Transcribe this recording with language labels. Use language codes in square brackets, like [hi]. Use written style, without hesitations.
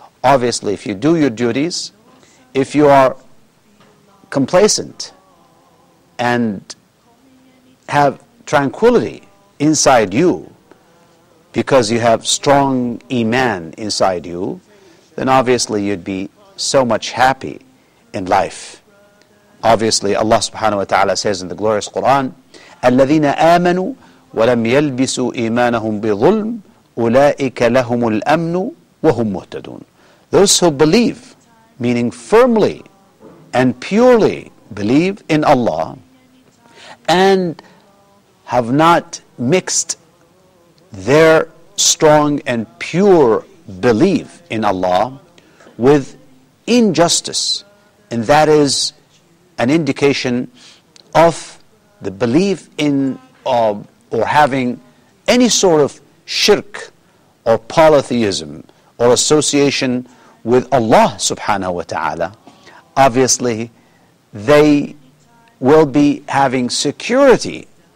[en] Obviously, if you do your duties, if you are complacent and have tranquility inside you, because you have strong iman inside you, then obviously you'd be so much happy in life. Obviously, Allah subhanahu wa ta'ala says in the glorious Quran, [ar] الَّذِينَ آمَنُوا وَلَمْ يَلْبِسُوا إِيمَانَهُمْ بِظُلْمٍ أُولَٰئِكَ لَهُمُ الْأَمْنُ وَهُمْ مُهْتَدُونَ. [en] Those who believe, meaning firmly and purely believe in Allah, and have not mixed their strong and pure belief in Allah with injustice, and that is an indication of the belief in or having any sort of shirk or polytheism or association with Allah subhanahu wa ta'ala, obviously they will be having security.